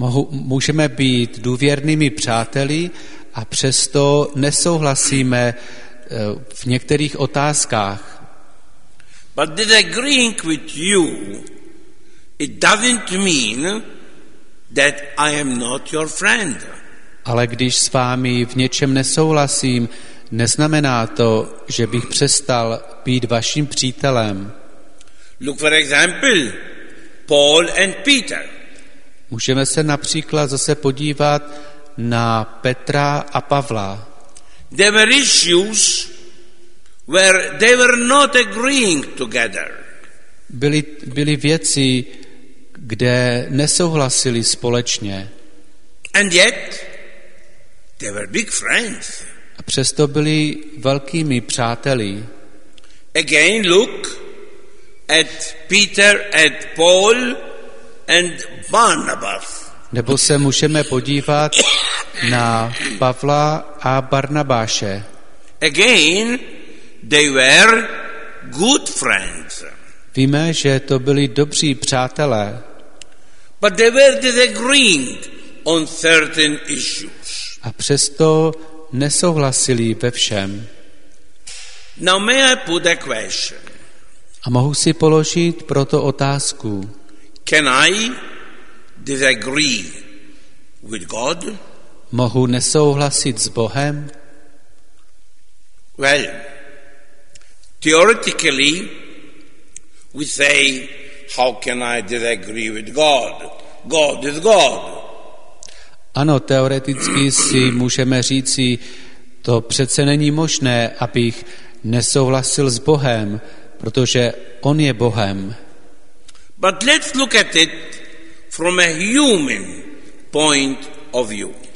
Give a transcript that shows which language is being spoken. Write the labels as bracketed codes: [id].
[cs] Můžeme být důvěrnými přáteli a přesto nesouhlasíme v některých otázkách. [en] But disagreeing with you, it doesn't mean that I am not your friend. [cs] Ale když s vámi v něčem nesouhlasím, neznamená to, že bych přestal být vaším přítelem. [en] Look for example, Paul and Peter. [cs] Můžeme se například zase podívat na Petra a Pavla. [en] There were issues where they were not agreeing together. [cs] Byly věci, kde nesouhlasili společně. [en] And yet they were big friends. [cs] A přesto byli velkými přáteli. [en] Again look at Peter and Paul and Barnabas. [cs] Nebo se můžeme podívat na Pavla a Barnabáše. [en] Again they were good friends. [cs] Víme, že to byli dobří přátelé. [en] But they were disagreeing on certain issues. [cs] A přesto nesouhlasili ve všem. [en] Now may I put a question? [cs] A mohu si položit proto otázku. [en] Can I disagree with God? [cs] Mohu nesouhlasit s Bohem? [en] Well, theoretically we say, how can I disagree with God? God is God. [cs] Ano, teoreticky si můžeme říci, to přece není možné, abych nesouhlasil s Bohem, protože on je Bohem. [en] But let's look at it from a human point of view.